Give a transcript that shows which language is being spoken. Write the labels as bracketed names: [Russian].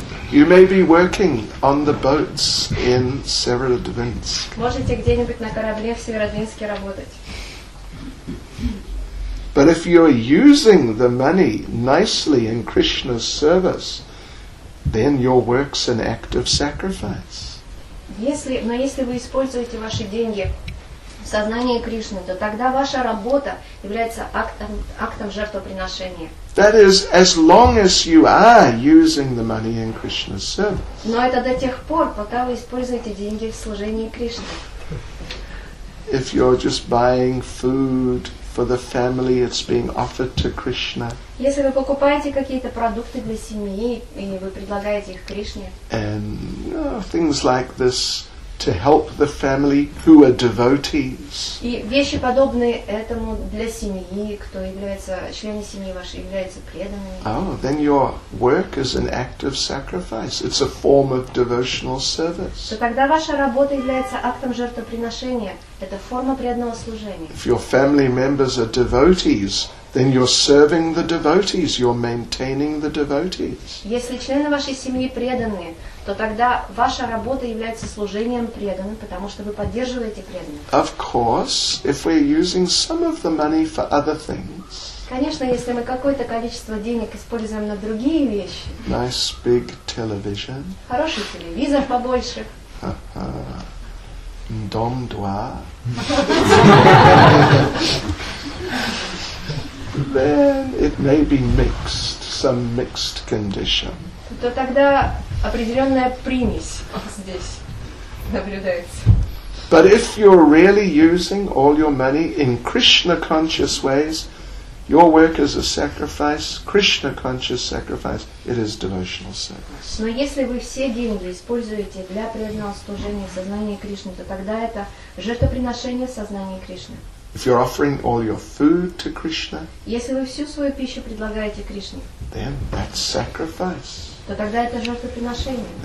[English] You may be working on the boats in Severodvinsk. [Russian] Можете где-нибудь на корабле в Северодвинске работать. [English] But if you're using the money nicely in Krishna's service, then your work's an act of sacrifice. [Russian] Если вы используете ваши деньги в сознании Кришны, то тогда ваша работа является актом жертвоприношения. [English] That is, as long as you are using the money in Krishna's service. [Russian] Но это до тех пор, пока вы используете деньги в служении Кришне. [English] If you're just buying food for the family, it's being offered to Krishna. [Russian] Если вы покупаете какие-то продукты для семьи и вы предлагаете их Кришне. [English] And you know, things like this to help the family who are devotees. [Russian] И вещи подобные этому для семьи, кто является членами семьи вашей, является преданными. [English] Oh, then your work is an act of sacrifice. It's a form of devotional service. [Russian] То тогда ваша работа является актом жертвоприношения. Это форма преданного служения. [English] If your family members are devotees, then you're serving the devotees, you're maintaining the devotees. [Russian] Если члены вашей семьи преданные, то тогда ваша работа является служением преданным, потому что вы поддерживаете преданных. [English] Of course, if we're using some of the money for other things. [Russian] Конечно, если мы какое-то количество денег используем на другие вещи. [English] Nice big television. [Russian] Хороший телевизор побольше. Дом два. [English] Then it may be mixed, some mixed condition. [Russian] То тогда определенная примесь здесь наблюдается. [English] But if you're really using all your money in Krishna conscious ways, your work is a sacrifice, Krishna conscious sacrifice, it is devotional service. [Russian] Но если вы все деньги используете для преданного служения в сознании Кришны, то тогда это жертвоприношение в сознании Кришны. [English] If you're offering all your food to Krishna, [Russian] если вы всю свою пищу предлагаете Кришне, [English] then that's sacrifice. [Russian] То тогда это жертвоприношение.